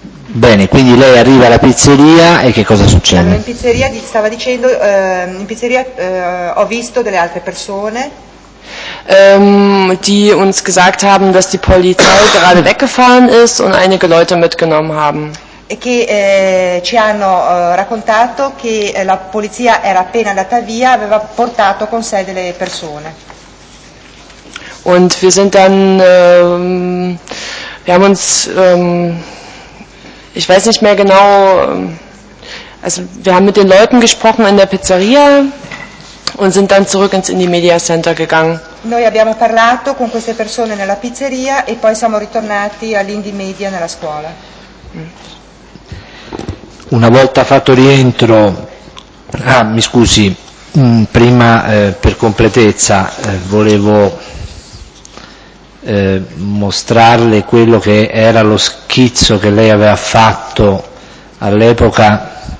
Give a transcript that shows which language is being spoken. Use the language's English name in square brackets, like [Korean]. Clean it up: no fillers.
[Italian] Bene, quindi lei arriva alla pizzeria e che cosa succede? In pizzeria, stava dicendo, in pizzeria ho visto delle altre persone. [German] Die uns gesagt haben, dass die Polizei gerade weggefahren ist und einige Leute mitgenommen haben. [Italian] E che ci hanno raccontato che la polizia era appena andata via, aveva portato con sé delle persone. [German] Und wir sind dann wir haben uns ich weiß nicht mehr genau, also wir haben mit den Leuten gesprochen in der Pizzeria und sind dann zurück ins Indie Media Center gegangen. [Italian] Noi abbiamo parlato con queste persone nella pizzeria e poi siamo ritornati all'Indie Media nella scuola. Una volta fatto rientro, mi scusi, prima per completezza volevo mostrarle quello che era lo schizzo che lei aveva fatto all'epoca